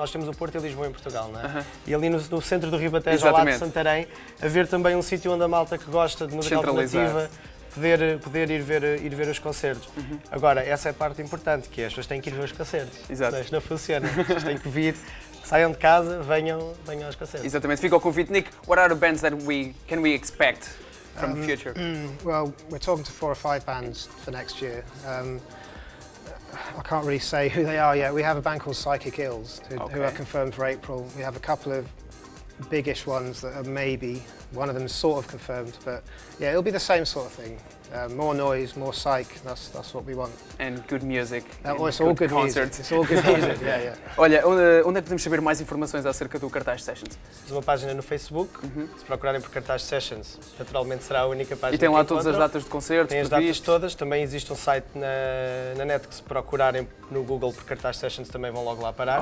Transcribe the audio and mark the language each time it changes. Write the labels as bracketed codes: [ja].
[pt] Nós temos o Porto e Lisboa em Portugal, não é? E ali no centro do Ribatejo, ao lado de Santarém, haver também um sítio onde a malta que gosta de música alternativa poder ir ver os concertos. Agora, essa é a parte importante, que é, as pessoas têm que ir ver os concertos. Exato. Senão isto não funciona, isto tem que vir. Saiam de casa, venham aos concertos. Exatamente. Fica o convite. [en] Nick, what are the bands that we can we expect from the future? Well, we're talking to four or five bands for next year. I can't really say who they are yet. We have a band called Psychic Ills, who are confirmed for April. We have a couple of biggish ones that are maybe one of them sort of confirmed, but yeah, it'll be the same sort of thing. More noise, more psych, that's what we want. And good music. It's all good music, yeah. [pt] Olha, onde é que podemos saber mais informações acerca do Cartaz Sessions? Temos uma página no Facebook, se procurarem por Cartaz Sessions, naturalmente será a única página. E tem lá todas as datas de concertos? Tem as datas todas, também existe um site na net que, se procurarem no Google por Cartaz Sessions, também vão logo lá parar.